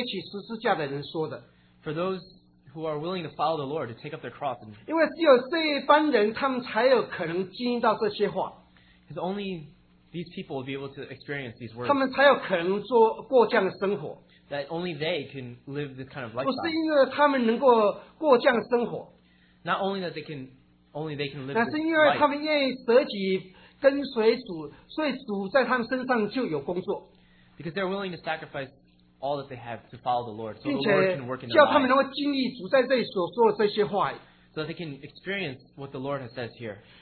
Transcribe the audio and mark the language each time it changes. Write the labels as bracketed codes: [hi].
[en] For those who are willing to follow the Lord, to take up their cross. Because only these people will be able to experience these words. [zh] 他们才有可能做过这样的生活, [en] that only they can live this kind of lifestyle. [zh] 不是因为他们能够过这样的生活, [en] not only that they can, only they can live this life. [zh] 那是因为他们愿意舍己跟随主, 所以主在他们身上就有工作。 [en] Because they're willing to sacrifice all that they have to follow the Lord, so the Lord can work in their lives. So that they can experience what the Lord has said here.